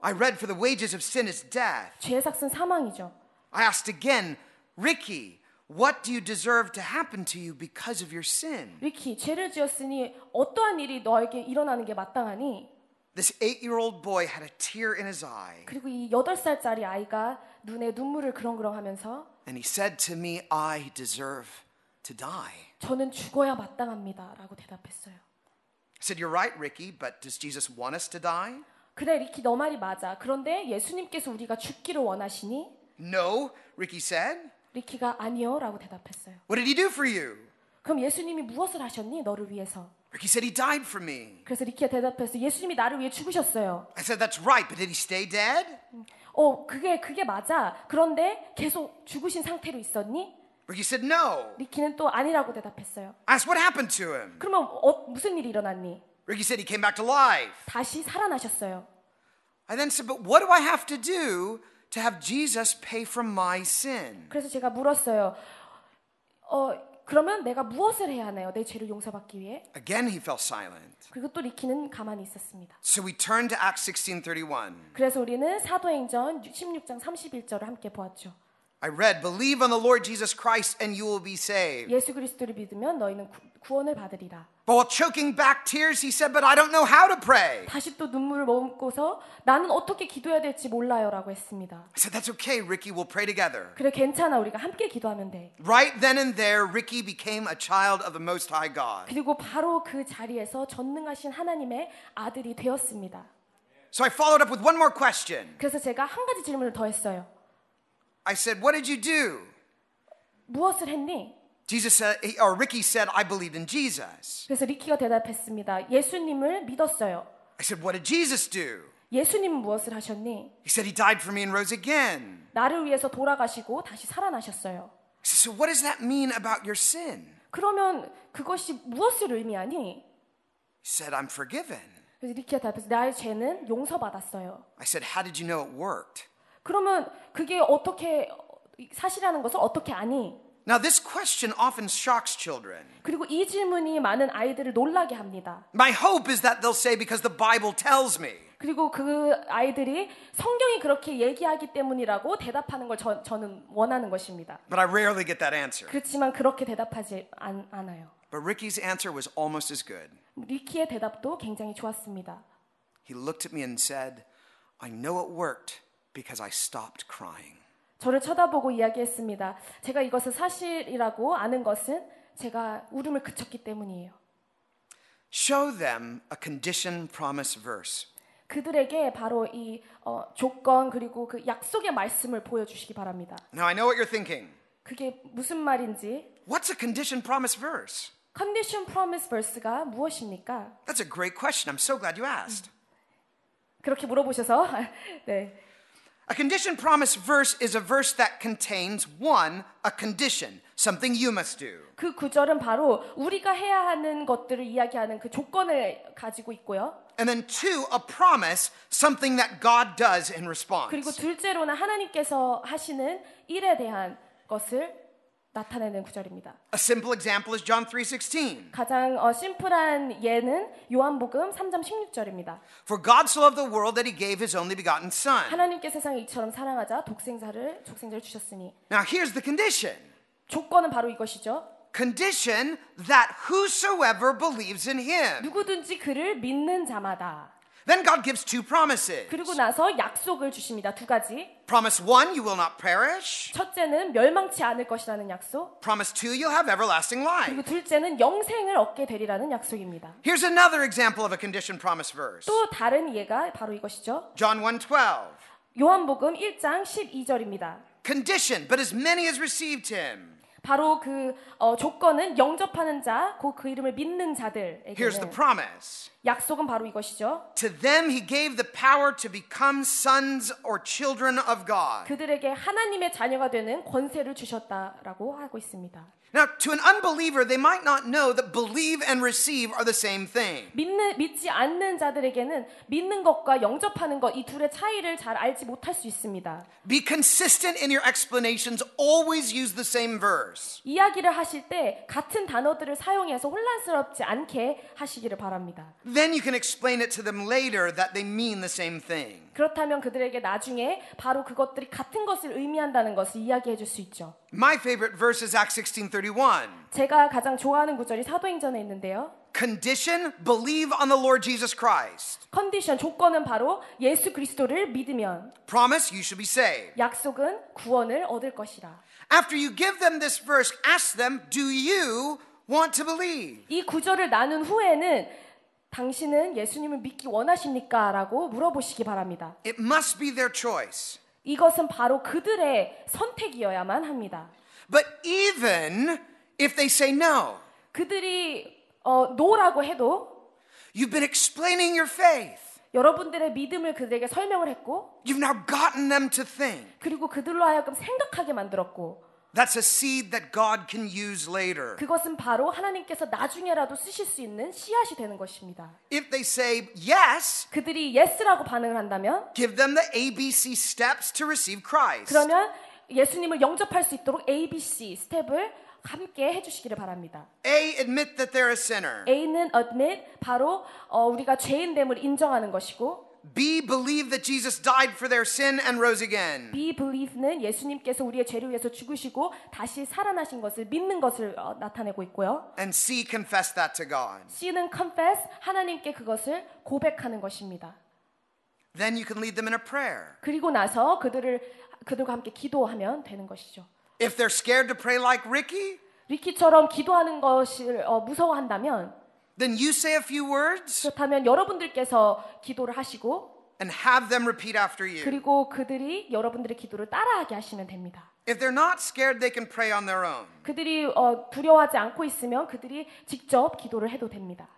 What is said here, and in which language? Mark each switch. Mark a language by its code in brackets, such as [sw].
[en] I read for the wages of sin is death. [ko] 죄의 삭은 사망이죠. [en] I asked again, Ricky, what do you deserve to happen to you because of your sin? [ko] Ricky, 죄를 지었으니 어떠한 일이 너에게 일어나는 게 마땅하니? [en] This 8-year-old boy had a tear in his eye. [ko] 그리고 이 8살짜리 아이가 눈에 눈물을 그렁그렁하면서 [en] And he said to me, I deserve to die. [ko] 저는 죽어야 마땅합니다라고 대답했어요. [en] I said, you're right, Ricky, but does Jesus want us to die? [ko] 그래, 리키, 너 말이 맞아. 그런데 예수님께서 우리가 죽기를 원하시니? [en] No, Ricky said. [ko] 리키가 아니요라고 대답했어요. [en] What did he do for you? [ko] 그럼 예수님이 무엇을 하셨니, 너를 위해서? [en] Ricky said he died for me. [ko] 그래서 리키가 대답했어요. 예수님이 나를 위해 죽으셨어요. [en] I said, that's right, but did he stay dead? [ko] 어, 그게 맞아. 그런데 계속 죽으신 상태로 있었니? [en] Ricky said no. [ko] 리키는 또 아니라고 대답했어요. [en] Asked what happened to him. [ko] 그러면 어, 무슨 일이 일어났니? [en] Ricky said he came back to life. [ko] 다시 살아나셨어요. [en] I then said, but what do I have to do to have Jesus pay for my sin? [ko] 그래서 제가 물었어요. 어, 그러면 내가 무엇을 해야 하나요? 내 죄를 용서받기 위해? [en] Again he fell silent. [ko] 그리고 또 리키는 가만히 있었습니다. [en] So we turned to Acts 16:31. [ko] 그래서 우리는 사도행전 16장 31절을 함께 보았죠. [en] I read, believe on the Lord Jesus Christ and you will be saved. [ko] 예수 그리스도를 믿으면 너희는 구원을 받으리라. [en] But while choking back tears, he said, but I don't know how to pray. [ko] 다시 또 눈물을 머금고서 나는 어떻게 기도해야 될지 몰라요라고 했습니다. [en] I said, that's okay, Ricky, we'll pray together. [ko] 그래, 괜찮아, 우리가 함께 기도하면 돼. [en] Right then and there, Ricky became a child of the Most High God. [ko] 그리고 바로 그 자리에서 전능하신 하나님의 아들이 되었습니다. [en] So I followed up with one more question. [ko] 그래서 제가 한 가지 질문을 더 했어요. [en] I said, what did you do? [ko] 무엇을 했니? [en] Jesus said, or Ricky said, I believed in Jesus. [ko] 그래서 리키가 대답했습니다. 예수님을 믿었어요. [en] I said, what did Jesus do? [ko] 예수님은 무엇을 하셨니? [en] He said, he died for me and rose again. [ko] 나를 위해서 돌아가시고 다시 살아나셨어요. [en] I said, so what does that mean about your sin? [ko] 그러면 그것이 무엇을 의미하니? [en] He said, I'm forgiven. [ko] 그래서 리키가 대답했어요. 나의 죄는 용서받았어요. [en] I said, how did you know it worked? [ko] 그러면 그게 어떻게 사실이라는 것을 어떻게 아니? [en] Now this question often shocks children. [ko] 그리고 이 질문이 많은 아이들을 놀라게 합니다. [en] My hope is that they'll say because the Bible tells me. [ko] 그리고 그 아이들이 성경이 그렇게 얘기하기 때문이라고 대답하는 걸 저는 원하는 것입니다. [en] But I rarely get that answer. [ko] 그렇지만 그렇게 대답하지 않아요. [en] But Ricky's answer was almost as good. [ko] 리키의 대답도 굉장히 좋았습니다. [en] He looked at me and said, I know it worked. Because I stopped crying. [ko] 저를 쳐다보고 이야기했습니다. 제가 이것을 사실이라고 아는 것은 제가 울음을 그쳤기 때문이에요. [en] Show them a condition promise verse. [ko] 그들에게 바로 이 조건 그리고 그 약속의 말씀을 보여주시기 바랍니다. [en] Now I know what you're thinking. [ko] 그게 무슨 말인지. [en] What's a condition promise verse? Condition promise verse [ko] 가 무엇입니까? [en] That's a great question. I'm so glad you asked. [ko] 그렇게 물어보셔서 네. [en] A condition promise verse is a verse that contains one, a condition, something you must do. [ko] 그 구절은 바로 우리가 해야 하는 것들을 이야기하는 그 조건을 가지고 있고요. [en] And then two, a promise, something that God does in response. [ko] 그리고 둘째로는 하나님께서 하시는 일에 대한 것을 나타내는 구절입니다. [en] A simple example is John 3:16. [ko] 가장 심플한 예는 요한복음 3장 16절입니다. [en] For God so loved the world that he gave his only begotten son. [ko] 하나님께 세상을 이처럼 사랑하자 독생자를 주셨으니. [en] Now here's the condition. [ko] 조건은 바로 이것이죠. [en] Condition that whosoever believes in him. [ko] 누구든지 그를 믿는 자마다. [en] Then God gives two promises. [ko] 그리고 나서 약속을 주십니다. 두 가지. [en] Promise one, you will not perish. [ko] 첫째는 멸망치 않을 것이라는 약속. [en] Promise two, you'll have everlasting life. [ko] 그리고 둘째는 영생을 얻게 되리라는 약속입니다. [en] Here's another example of a condition promise verse. [ko] 또 다른 예가 바로 이것이죠. [en] John 1:12. [ko] 요한복음 1장 12절입니다. [en] Condition, but as many as received him. [ko] 바로 그 조건은 영접하는 자, 그 이름을 믿는 자들에게는. [en] Here's the promise. [ko] 약속은 바로 이것이죠. [en] To them he gave the power to become sons or children of God. [ko] 그들에게 하나님의 자녀가 되는 권세를 주셨다라고 하고 있습니다. [en] Now, to an unbeliever, they might not know that believe and receive are the same thing. [ko] 믿지 않는 자들에게는 믿는 것과 영접하는 것 이 둘의 차이를 잘 알지 못할 수 있습니다. [en] Be consistent in your explanations. Always use the same verse. [ko] 이야기를 하실 때 같은 단어들을 사용해서 혼란스럽지 않게 하시기를 바랍니다. [en] Then you can explain it to them later that they mean the same thing. [ko] 그렇다면 그들에게 나중에 바로 그것들이 같은 것을 의미한다는 것을 이야기해 줄 수 있죠. [en] My favorite verse is Acts 16:31. [ko] 제가 가장 좋아하는 구절이 사도행전에 있는데요. [en] Condition, believe on the Lord Jesus Christ. [ko] 컨디션, 조건은 바로 예수 그리스도를 믿으면. [en] Promise, you shall be saved. [ko] 약속은 구원을 얻을 것이라. [en] After you give them this verse, ask them, do you want to believe? [ko] 이 구절을 나눈 후에는 당신은 예수님을 믿기 원하십니까? 라고 물어보시기 바랍니다. [en] It must be their choice. [ko] 이것은 바로 그들의 선택이어야만 합니다. [en] But even if they say no, [ko] 그들이 no라고 해도 [en] you've been explaining your faith. [ko] 여러분들의 믿음을 그들에게 설명을 했고 [en] you've now gotten them to think. [ko] 그리고 그들로 하여금 생각하게 만들었고 [en] That's a seed that God can use later. [ko] 그것은 바로 하나님께서 나중에라도 쓰실 수 있는 씨앗이 되는 것입니다. [en] If they say yes, [ko] 그들이 yes라고 반응을 한다면, [en] give them the ABC steps to receive Christ. [ko] 그러면 예수님을 영접할 수 있도록 ABC 스텝을 함께 해주시기를 바랍니다. [en] A, admit that they're a sinner. [ko] A는 admit 바로 우리가 죄인됨을 인정하는 것이고. [en] B, believe that Jesus died for their sin and rose again. [ko] B, believe는 예수님께서 우리의 죄를 위해서 죽으시고 다시 살아나신 것을 믿는 것을 나타내고 있고요. [en] And C, confess that to God. [ko] C는 confess 하나님께 그것을 고백하는 것입니다. [en] Then you can lead them in a prayer. [ko] 그리고 나서 그들과 함께 기도하면 되는 것이죠. [en] If they're scared to pray like Ricky, [ko] 리키처럼 기도하는 것을 무서워한다면. [en] Then you say a few words. [ko] 그렇다면 여러분들께서 기도를 하시고 [en] and have them repeat after you. [ko] 그리고 그들이 여러분들의 기도를 따라하게 하시면 됩니다. [en] If they're not scared, they can pray on their own. [ko] 그들이 두려워하지 않고 있으면 그들이 직접 기도를 해도 됩니다.